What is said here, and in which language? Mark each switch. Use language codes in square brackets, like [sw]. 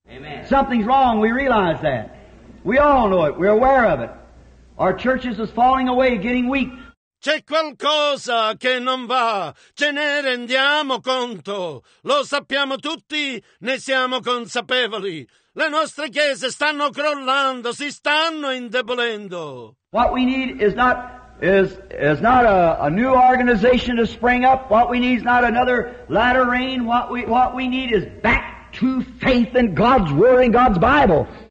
[en] Amen. Something's wrong, we realize that. We all know it, we're aware of it. Our churches is falling away, getting weak. [it] C'è qualcosa che non va, ce ne rendiamo conto. Lo sappiamo tutti, ne siamo consapevoli. Le nostre chiese stanno crollando, si stanno indebolendo. [en] What we need is not a new organization to spring up. What we need is not another latter rain. What we need is back to faith in God's Word and God's Bible.